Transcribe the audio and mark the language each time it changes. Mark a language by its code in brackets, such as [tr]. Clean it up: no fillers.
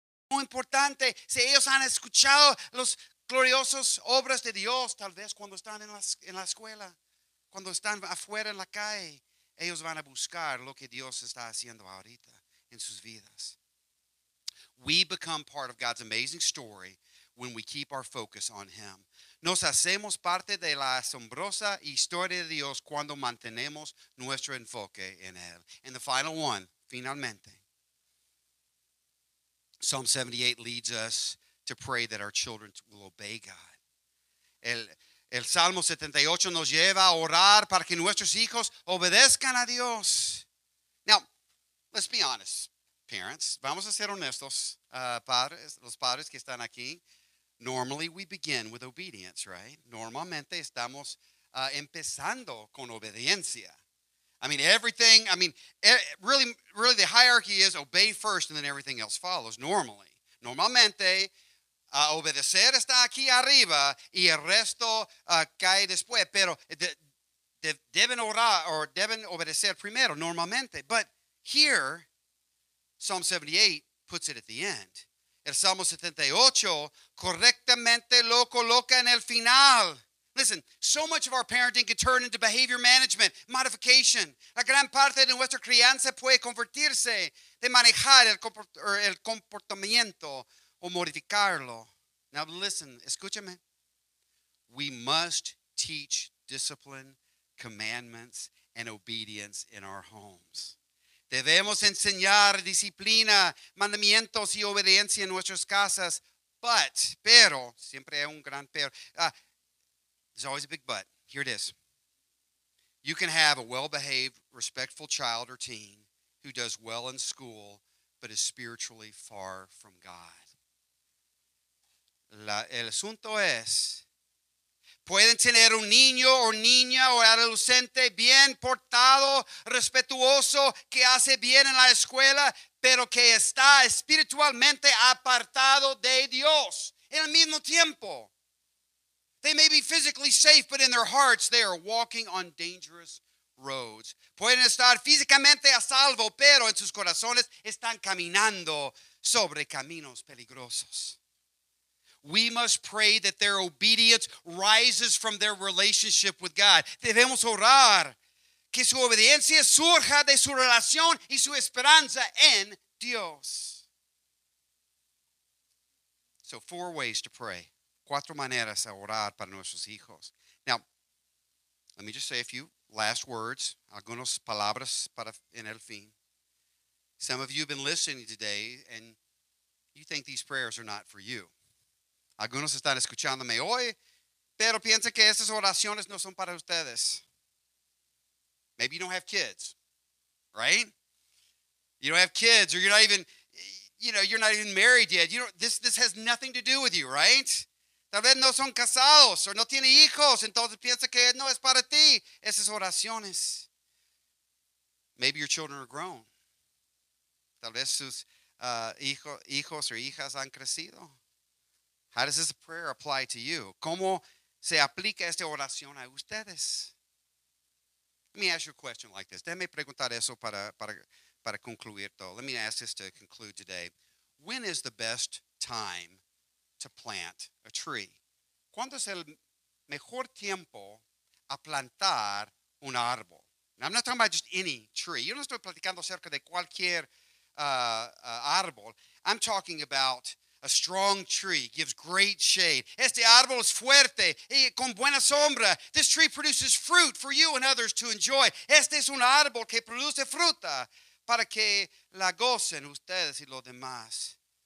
[es] Muy importante, si ellos han escuchado las gloriosas obras de Dios, tal vez cuando están en la escuela, cuando están afuera en la calle, ellos van a buscar lo que Dios está haciendo ahorita en sus vidas. [en] We become part of God's amazing story when we keep our focus on Him. [es] Nos hacemos parte de la asombrosa historia de Dios cuando mantenemos nuestro enfoque en Él. [en] And the final one, [es] finalmente. [en] Psalm 78 leads us to pray that our children will obey God. [es] El Salmo 78 nos lleva a orar para que nuestros hijos obedezcan a Dios. [en] Now, let's be honest, parents. [es] Vamos a ser honestos, padres, los padres que están aquí. [en] Normally, we begin with obedience, right? [es] Normalmente, estamos empezando con obediencia. [en] Really, the hierarchy is obey first and then everything else follows, normally. [es] Normalmente, obedecer está aquí arriba y el resto cae después, pero deben orar or deben obedecer primero, normalmente. [en] But here, Psalm 78 puts it at the end. [es] El Salmo 78 correctamente lo coloca en el final. [en] Listen, so much of our parenting can turn into behavior management, modification. [es] La gran parte de nuestra crianza puede convertirse de manejar el comportamiento o modificarlo. [en] Now listen, [es] escúchame. [en] We must teach discipline, commandments, and obedience in our homes. [es] Debemos enseñar disciplina, mandamientos y obediencia en nuestras casas. Pero, siempre hay un gran pero. [en] There's always a big but. Here it is. You can have a well-behaved, respectful child or teen who does well in school, but is spiritually far from God. [es] El asunto es, pueden tener un niño o niña o adolescente bien portado, respetuoso, que hace bien en la escuela, pero que está espiritualmente apartado de Dios en el mismo tiempo. [en] They may be physically safe, but in their hearts they are walking on dangerous roads. [es] Pueden estar físicamente a salvo, pero en sus corazones están caminando sobre caminos peligrosos. [en] We must pray that their obedience rises from their relationship with God. [es] Debemos orar que su obediencia surja de su relación y su esperanza en Dios. [en] So, four ways to pray. [es] Cuatro maneras a orar para nuestros hijos. [en] Now, let me just say a few last words, [es] algunas palabras para en el fin. [en] Some of you have been listening today, and you think these prayers are not for you. [es] Algunos están escuchándome hoy, pero piensen que estas oraciones no son para ustedes. [en] Maybe you don't have kids, right? You don't have kids, or you're not even, you know, you're not even married yet. You don't, this has nothing to do with you, right? [es] Tal vez no son casados, or no tiene hijos, entonces piensa que no es para ti. Esas oraciones. [en] Maybe your children are grown. [es] Tal vez sus hijos or hijas han crecido. [en] How does this prayer apply to you? [es] ¿Cómo se aplica esta oración a ustedes? [en] Let me ask you a question like this. [es] Déjame preguntar eso para concluir todo. [en] Let me ask this to conclude today. When is the best time to plant a tree? [es] ¿Cuándo es el mejor tiempo a plantar un árbol? [en] Now, I'm not talking about just any tree. [es] Yo no estoy platicando acerca de cualquier árbol. [en] I'm talking about a strong tree, gives great shade. [es] Este árbol es fuerte, y con buena sombra. [en] This tree produces fruit for you and others to enjoy. [es] Este es un árbol que produce fruta para que la gocen ustedes y los demás.